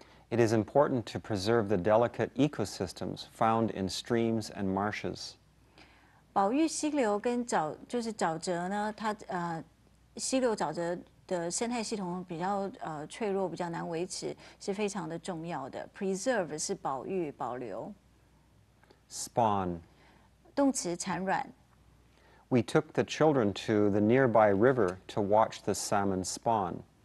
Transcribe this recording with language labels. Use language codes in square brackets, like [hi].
[en] It is important to preserve the delicate ecosystems found in streams and marshes. [zh] 保育溪流跟沼泽呢，它溪流沼泽的生态系统比较脆弱，比较难维持，是非常的重要的。Preserve 是保育、保留。 [en] Spawn. [zh] 动词产卵。 [en] We took the children to the nearby river to watch the salmon spawn.